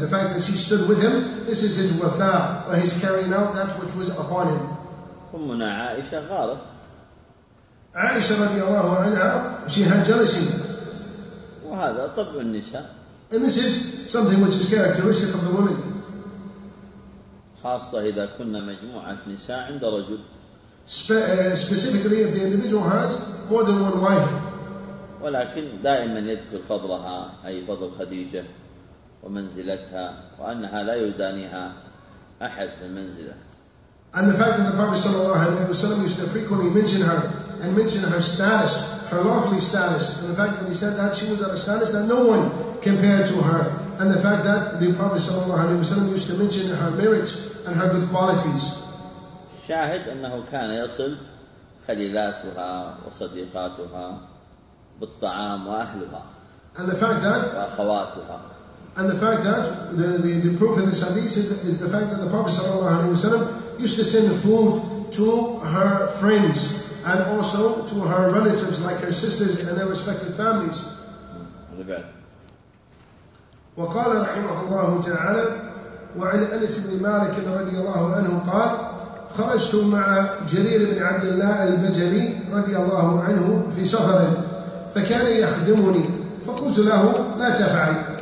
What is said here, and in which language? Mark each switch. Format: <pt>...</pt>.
<en>The fact that she stood with him, this is his wafa, or his carrying out that which was upon him. Ummuna Aisha gharat. Aisha radiallahu anha, she had jealousy.</en> <ar>وهذا طبع النساء.</ar> <en>And this is something which is characteristic of the women.</en> <ar>خاصة إذا كنا مجموعة نساء عند رجل.</ar> <en>Specifically if the individual has more than one wife.</en> <ar>ولكن دائما يذكر فضلها، أي فضل خديجة ومنزلتها، وأنها لا يدانيها أحد في المنزلة.</ar> <en>And the fact that the Prophet</en> <ar>صلى الله عليه وسلم</ar> <en>used to frequently mention her and mention her status, her lofty status, and the fact that he said that she was at a status that no one compared to her. And the fact that the Prophet</en> <ar>صلى الله عليه وسلم</ar> <en>used to mention her merits and her good qualities.</en> <ar>شاهد أنه كان يصل خليلاتها وصديقاتها بالطعام وأهلها.</ar> <en>And the fact that</en> <ar>وأخواتها.</ar> <en>And the fact that the proof in this hadith is the fact that the Prophet</en> <ar>صلى الله عليه وسلم</ar> <en>used to send food to her friends and also to her relatives like her sisters and their respective families.</en> <ar>وقال رحمه الله تعالى: وعن أنس بن مالك رضي الله عنه قال: خرجت مع جرير بن عبد الله البجلي رضي الله عنه في سفر، فكان يخدمني، فقلت له: لا تفعل.</ar>